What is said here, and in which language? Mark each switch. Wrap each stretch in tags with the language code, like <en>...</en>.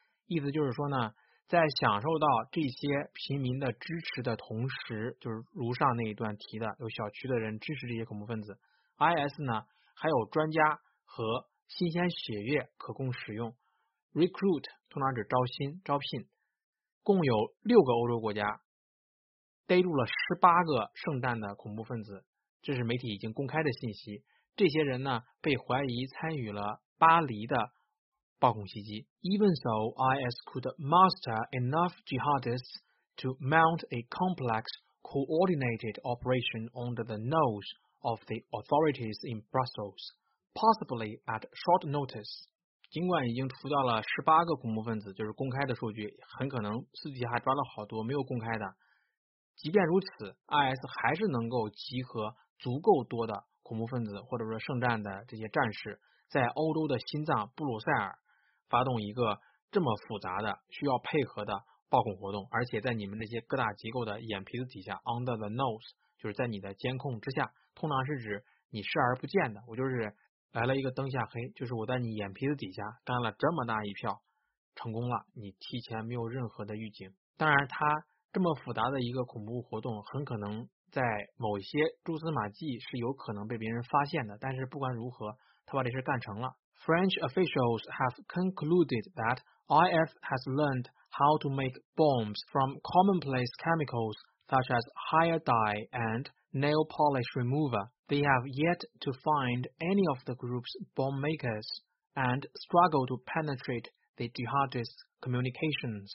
<zh>意思就是说呢，在享受到这些平民的支持的同时，就是如上那一段提的，有小区的人支持这些恐怖分子， IS 呢还有专家和新鲜血液可供使用。 Recruit 通常指招新招聘。共有六个欧洲国家逮住了18个圣诞的恐怖分子，这是媒体已经公开的信息。这些人呢被怀疑参与了巴黎的暴恐袭击。</zh> <en>Even though IS could muster enough jihadists to mount a complex coordinated operation under the nose of the authorities in Brussels, possibly at short notice.</en> <zh>尽管已经除掉了十八个恐怖分子，就是公开的数据，很可能私底下抓了好多没有公开的。即便如此 ，IS 还是能够集合足够多的恐怖分子，或者说圣战的这些战士，在欧洲的心脏布鲁塞尔发动一个这么复杂的、需要配合的暴恐活动，而且在你们这些各大机构的眼皮子底下 ，</zh> <en>under the nose，</en> <zh>就是在你的监控之下，通常是指你视而不见的。我就是来了一个灯下黑，就是我在你眼皮子底下干了这么大一票，成功了，你提前没有任何的预警。当然，他这么复杂的一个恐怖活动，很可能在某些蛛丝马迹是有可能被别人发现的。但是不管如何，他把这事干成了。</zh> <en>French officials have concluded that IS has learned how to make bombs from commonplace chemicals such as hair dye and nail polish remover. They have yet to find any of the group's bomb makers and struggle to penetrate the jihadists' communications.</en>